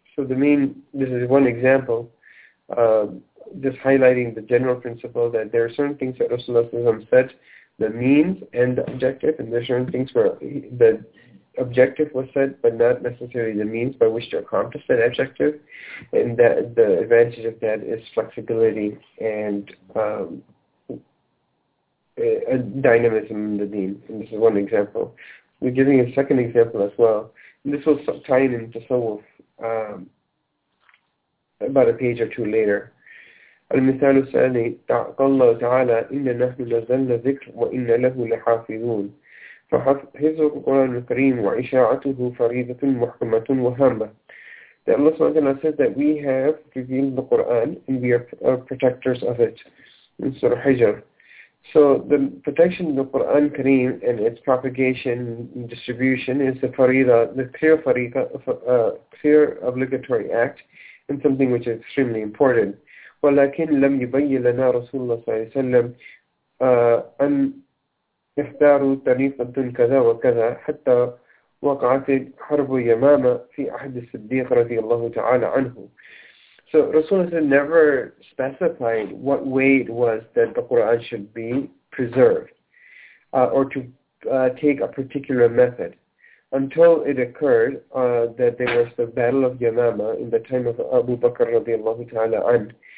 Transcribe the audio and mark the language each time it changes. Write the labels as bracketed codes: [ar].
[en] So the main, this is one example, just highlighting the general principle that there are certain things that Rasulullah said, the means and the objective, and there are certain things where the objective was said, but not necessarily the means by which to accomplish that objective, and that the advantage of that is flexibility and a dynamism in the deen. And this is one example. We're giving a second example as well, and this will tie in tasawwuf about a page or two later. [ar] المثال الثاني قال الله تعالى إن نحن نزلنا الذكر وإن له لحافظون فحفظ القرآن الكريم وإشاعته فريضة محكمة وهامة. [en] That Allah subhanahu wa ta'ala says that we have revealed the Quran and we are protectors of it. In Surah Hijr. So the protection of the Quran Kareem and its propagation and distribution is the farida, the clear farida, clear obligatory act, and something which is extremely important. [ar] ولكن لم يبين لنا رسول الله صلى الله عليه وسلم أن يختاروا طريقة كذا وكذا حتى وقعت حرب يمامة في أحد الصديق رضي الله تعالى عنه. [en] So Rasulullah said, never specified what way it was that the Quran should be preserved or to take a particular method until it occurred that there was the Battle of Yamama in the time of Abu Bakr radiallahu ta'ala an.